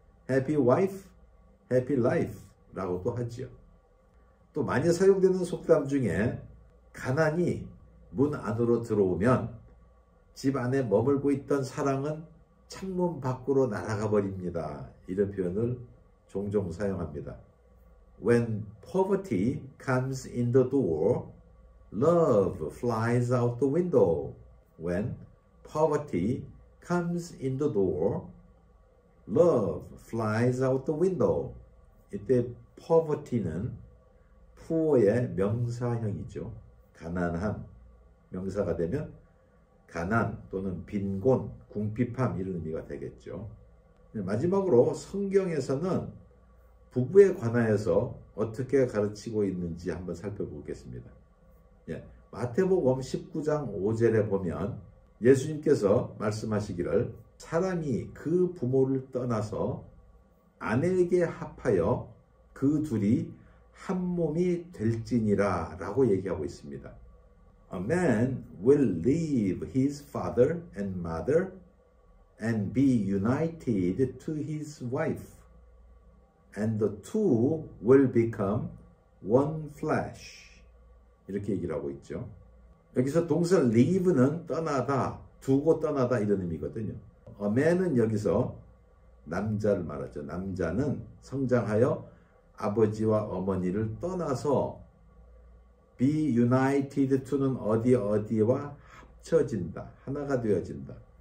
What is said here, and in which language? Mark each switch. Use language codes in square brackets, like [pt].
[en] Happy wife, happy life [ko] 라고도 하죠. 또 많이 사용되는 속담 중에 가난이 문 안으로 들어오면 집 안에 머물고 있던 사랑은 창문 밖으로 날아가 버립니다. 이런 표현을 종종 사용합니다. [en] When poverty comes in the door, love flies out the window. When poverty comes in the door, love flies out the window. [ko] 이때 poverty는 poor의 명사형이죠. 가난함, 명사가 되면 가난 또는 빈곤, 궁핍함 이런 의미가 되겠죠. 마지막으로 성경에서는 부부에 관하여서 어떻게 가르치고 있는지 한번 살펴보겠습니다. 예, 마태복음 19장 5절에 보면 예수님께서 말씀하시기를 사람이 그 부모를 떠나서 아내에게 합하여 그 둘이 한 몸이 될지니라 라고 얘기하고 있습니다. [en] A man will leave his father and mother and be united to his wife and the two will become one flesh. [ko] 이렇게 얘기를 하고 있죠. 여기서 동사 leave는 떠나다, 두고 떠나다 이런 의미거든요. A man은 여기서 남자를 말하죠. 남자는 성장하여 아버지와 어머니를 떠나서 [en] be united to [ko] 는 어디 어디와 합쳐진다. 하나가 되어진다.